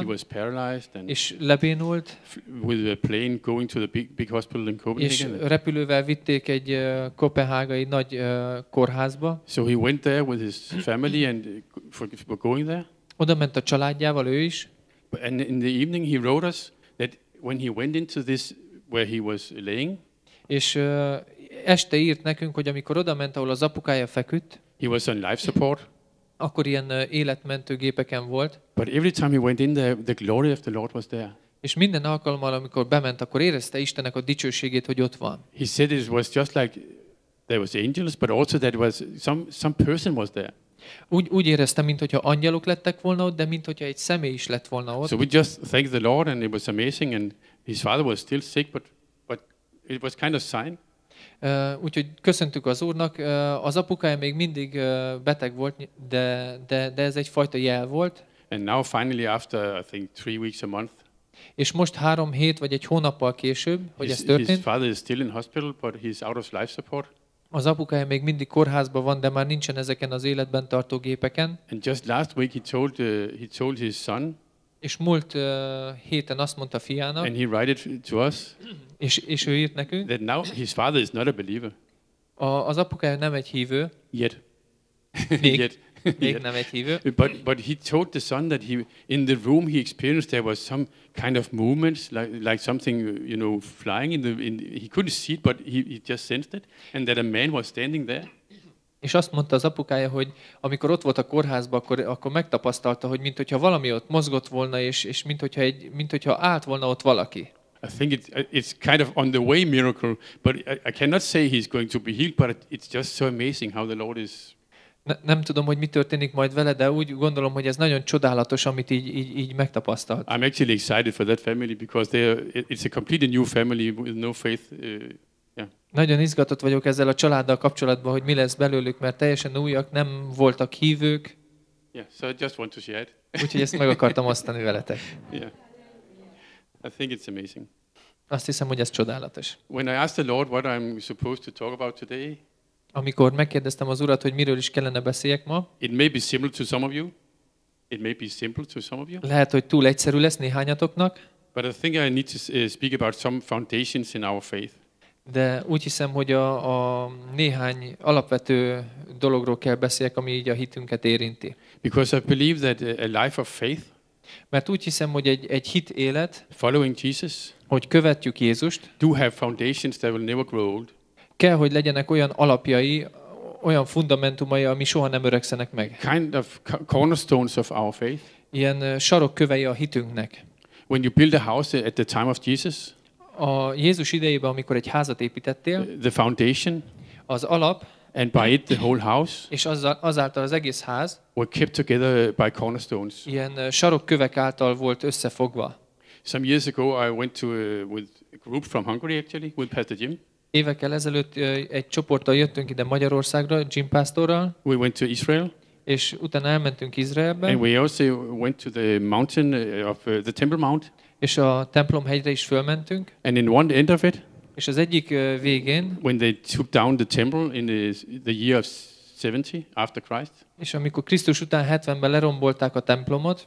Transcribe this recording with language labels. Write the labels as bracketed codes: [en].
[en] He was paralyzed and [hu] és lebénult. [en] With a plane going to the big hospital in Copenhagen. [hu] És repülővel vitték egy koppenhágai nagy kórházba. [en] So he went there with his family and for going there. [hu] Oda ment a családjával ő is. [en] And in the evening he wrote us that when he went into this where he was laying. [hu] És este írt nekünk, hogy amikor oda ment, ahol az apukája feküdt, [en] he was on life support. [hu] Akkor ilyen életmentő gépeken volt. [en] But every time he went in there, the glory of the Lord was there. [hu] És minden alkalommal, amikor bement, akkor érezte Istennek a dicsőségét, hogy ott van. [en] He said it was just like there was angels, but also that was some person was there. [hu] Úgy éreztem, mintha angyalok lettek volna ott, de mintha egy személy is lett volna ott. [en] So we just thanked the Lord and it was amazing and his father was still sick, but it was kind of sign. [hu] Úgyhogy köszöntük az Úrnak, az apukája még mindig beteg volt, de ez egy fajta jel volt. [en] And now finally after I think 3 weeks a month. [hu] És most 3 hét vagy egy hónappal később, hogy ez történt. [en] His father is still in hospital, but he's out of life support. [hu] Az apukája még mindig kórházban van, de már nincsen ezeken az életben tartó gépeken. [en] And just last week he told his son. [hu] És múlt héten azt mondta fiának. [en] And he wrote it to us. [hu] És ő írt nekünk. [en] That now his father is not a believer. [hu] Az apukája nem egy hívő. [en] Yet. [hu] Még nem egy hívő. [en] But he told the son that he in the room he experienced there was some kind of movements like something you know flying in he couldn't see it but he just sensed it and that a man was standing there. [hu] És azt mondta az apukája, hogy amikor ott volt a kórházban, akkor megtapasztalta, hogy mintha valami ott mozgott volna és mintha állt volna ott valaki. [en] I think it's kind of on the way miracle, but I cannot say he's going to be healed, but it's just so amazing how the Lord is. [hu] Nem tudom, hogy mi történik majd vele, de úgy gondolom, hogy ez nagyon csodálatos, amit így megtapasztalt. [en] I'm actually excited for that family because it's a completely new family with no faith. [hu] Nagyon izgatott vagyok ezzel a családdal kapcsolatban, hogy mi lesz belőlük, mert teljesen újak, nem voltak hívők. [en] Yeah, so I just want to share it. [hu] Úgyhogy ezt meg akartam osztani veletek. [en] Yeah. I think it's amazing. [hu] Azt hiszem, hogy ez csodálatos. [en] When I asked the Lord what I'm supposed to talk about today. [hu] Amikor megkérdeztem az Urat, hogy miről is kellene beszéljek ma. [en] It may be simple to some of you. It may be simple to some of you. [hu] Lehet, hogy túl egyszerű lesz néhányatoknak. [en] But I think I need to speak about some foundations in our faith. [hu] De úgy hiszem, hogy a néhány alapvető dologról kell beszéljek, ami így a hitünket érinti. [en] Because I believe that a life of faith. [hu] Mert úgy hiszem, hogy egy hit élet. [en] Following Jesus. [hu] Hogy követjük Jézust. [en] Do have foundations that will never grow old. [hu] Kell, hogy legyenek olyan alapjai, olyan fundamentumai, ami soha nem öregszenek meg. [en] Kind of cornerstones of our faith. [hu] Ilyen sarokkövei a hitünknek. [en] When you build a house at the time of Jesus. [hu] A Jézus idejében, amikor egy házat építettél. [en] The foundation. [hu] Az alap. [en] And by it the whole house. [hu] És azáltal az egész ház. [en] Were kept together by cornerstones. [hu] Ilyen sarokkövek által volt összefogva. [en] Some years ago I went to with a group from Hungary actually with Pastor Jim. [hu] Évekkel ezelőtt egy csoporttal jöttünk ide Magyarországra, Jim Pastorral. [en] We went to Israel. [hu] és utána elmentünk Izraelbe. [en] And we also went to the mountain of the Temple Mount. [hu] És a templom hegyre is fölmentünk. [en] And in one end of it. [hu] És az egyik végén. [en] When they took down the temple in the year of 70 after Christ. [hu] És amikor Krisztus után 70-ben lerombolták a templomot.